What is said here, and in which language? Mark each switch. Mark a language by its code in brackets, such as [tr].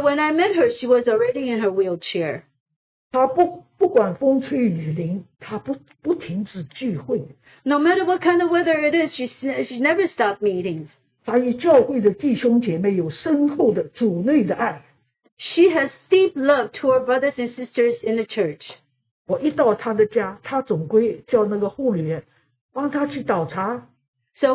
[en] when I met her, she was already in her wheelchair. [zh] 她不管风吹雨淋，她不停止聚会。 [en] No matter what kind of weather it is, she never stopped meetings. [zh] 她与教会的弟兄姐妹有深厚的主内的爱。 [en] She has deep love to her brothers and sisters in the church. [zh] 我一到她的家，她总归叫那个护理员帮她去倒茶。 [en] So